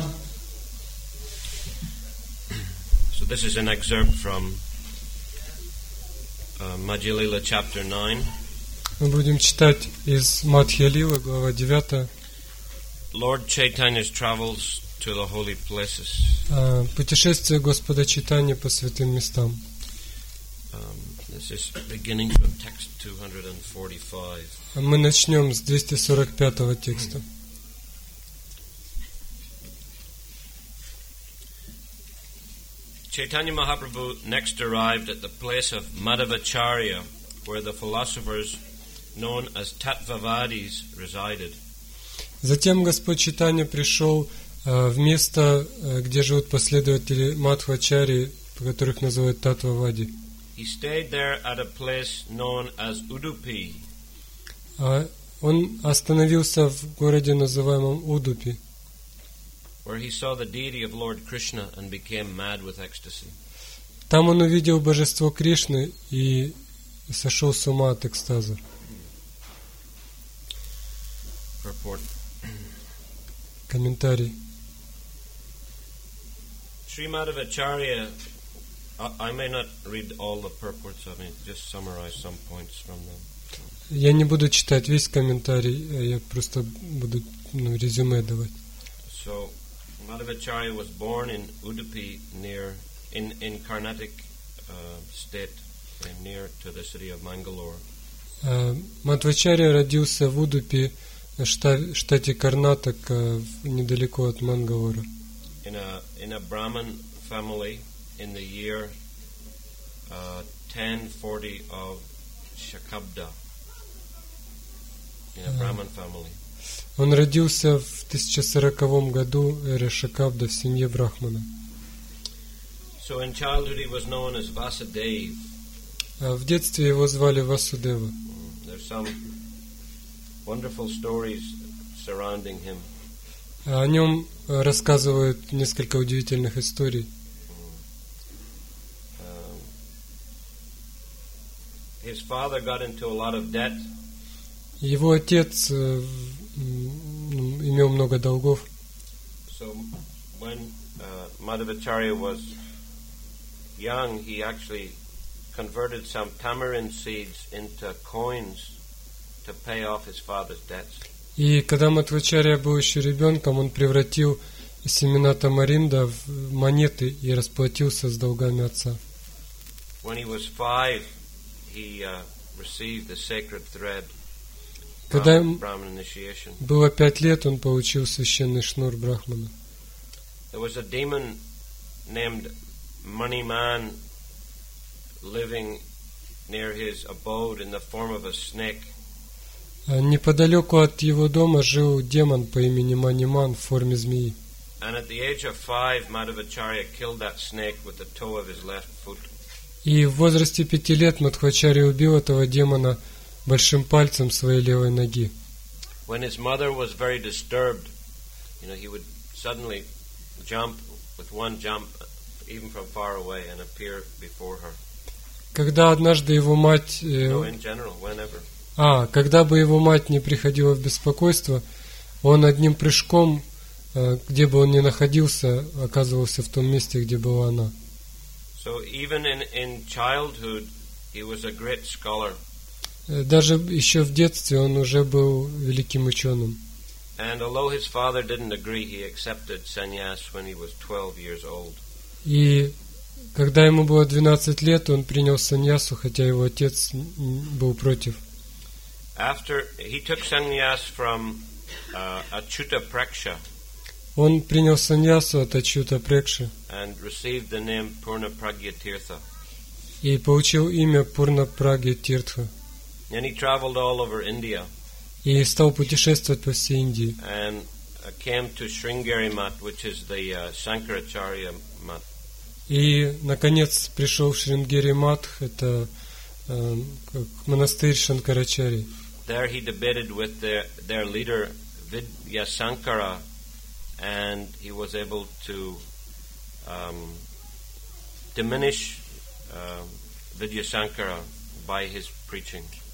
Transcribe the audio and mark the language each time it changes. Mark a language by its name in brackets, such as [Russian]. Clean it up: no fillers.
[English] So this is an excerpt from Madhyalila chapter 9. [Russian] Мы будем читать из Мадхьялилы, глава 9. [English] Lord Chaitanya's travels to the holy places. [Russian] Путешествие Господа Чайтаньи по святым местам. [English] This is beginning from text 245. [Russian] Мы начнем с 245 текста. [English] Chaitanya Mahaprabhu next arrived at the place of Madhavacharya, where the philosophers known as Tattvavadis resided. [Russian] Затем Господь Чайтанья пришел в место, где живут последователи Мадхвачари, которых называют Таттвавади. [English] He stayed there at a place known as Udupi. [Russian] Он остановился в городе, называемом Удупи. [English] Where he saw the deity of Lord Krishna and became mad with ecstasy. [Russian] Там он увидел божество Кришны и сошел с ума от экстаза. [English] Report. [Russian] Комментарий. [English] Sri Madhavacharya. I may not read all the purports. I mean, just summarize some points from them. [Russian] Я не буду читать весь комментарий. Я просто буду резюме давать. [English] So, Madhavacharya was born in Udupi, near in Carnatic state, near to the city of Mangalore. [Russian] Мадхвачарья родился в Удупи, штате Карнатак, недалеко от Мангалора. [English] In a Brahmin family. In the year 1040 of Shakabda, in a Brahmin family. [Russian] Он родился в 1040 году эры Шакабда в семье брахмана. [English] So in childhood he was known as Vasudev. [Russian] В детстве его звали Васудева. [English] There's some wonderful stories surrounding him. [Russian] О нем рассказывают несколько удивительных историй. [English] His father got into a lot of debt. [Russian] Его отец имел много долгов. [English] So when Madhavacharya was young, he actually converted some tamarind seeds into coins to pay off his father's debts. [Russian] И когда Мадхвачарья был еще ребенком, он превратил семена тамаринда в монеты и расплатился с долгами отца. [English] When he was five, he received the sacred thread. [Russian] Когда [English] Brahmin initiation. [Russian] Было 5 лет, он получил священный шнур брахмана. [English] There was a demon named Maniman living near his abode in the form of a snake. [Russian] Неподалеку от его дома жил демон по имени Маниман в форме змеи. [English] And at the age of 5, Madhavacharya killed that snake with the toe of his left foot. [Russian] И в возрасте 5 лет Мадхвачарья убил этого демона большим пальцем своей левой ноги. [English] When his mother was very disturbed, you know, he would suddenly jump with one jump, even from far away, and appear before her. [Russian] Когда однажды его мать... [English] No, in general, whenever. [Russian] Когда бы его мать не приходила в беспокойство, он одним прыжком, где бы он ни находился, оказывался в том месте, где была она. [English] So even in childhood he was a great scholar. [Russian] Даже еще в детстве он уже был великим ученым. [English] And although his father didn't agree, he accepted sannyas when he was 12 years old. [Russian] И когда ему было 12 лет, он принял саньясу, хотя его отец был против. [English] After he took sannyas from Achyuta Preksha. [Russian] Он принял саньясу от Ачюта Прекши [English] and received the name Purna Pragya Tirtha. [Russian] И получил имя Пурна Прагья Тиртха. [English] And he traveled all over India. [Russian] и стал путешествовать по всей Индии. [English] And came to Sringeri Math, which is the Shankaracharya Math. [Russian] И наконец пришел в Шрингери Матх, это монастырь Шанкарачари. [English] There he debated with their leader Vidyashankara, and he was able to diminish Vidyashankara by his preaching.